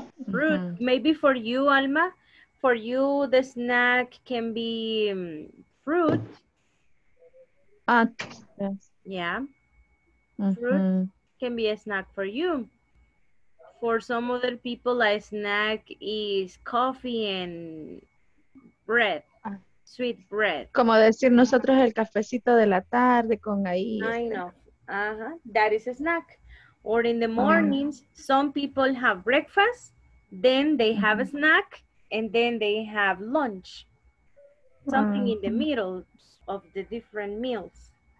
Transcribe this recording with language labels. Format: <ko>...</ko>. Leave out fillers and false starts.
<en>Fruit, maybe for you, Alma, for you, the snack can be fruit. Yes. Yeah. Fruit can be a snack for you. For some other people, a snack is coffee and bread. Sweet bread.</en> <es>Como decir nosotros el cafecito de la tarde con ahí.</es> <en>I know. That is a snack. Or in the mornings, some people have breakfast, then they have a snack, and then they have lunch. Something in the middle of the different meals.</en>